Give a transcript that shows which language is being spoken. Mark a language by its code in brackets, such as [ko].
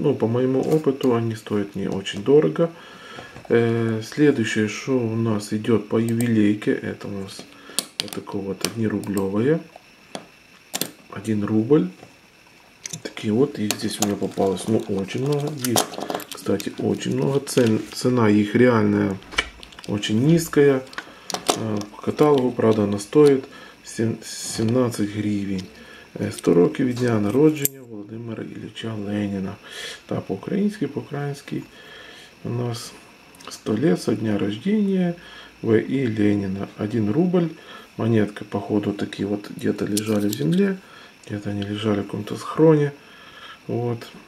[ru] Ну, по моему опыту, они стоят не очень дорого. Следующее, что у нас идет по ювелирке, это у нас вот такое вот 1-рублевое. 1 рубль. Такие вот, и здесь у меня попалось, ну, очень много. Их, кстати, очень много. Цена их реальная очень низкая. По каталогу, правда, она стоит 17 гривен. [uk] 100 років від дня народження Володимира Ілліча Леніна. Та по-українськи [ru] у нас 100 лет со дня рождения В.І. Леніна. 1 рубль. Монетка, походу, такі вот где-то лежали в земле. Где-то они лежали в каком-то схроне. Вот.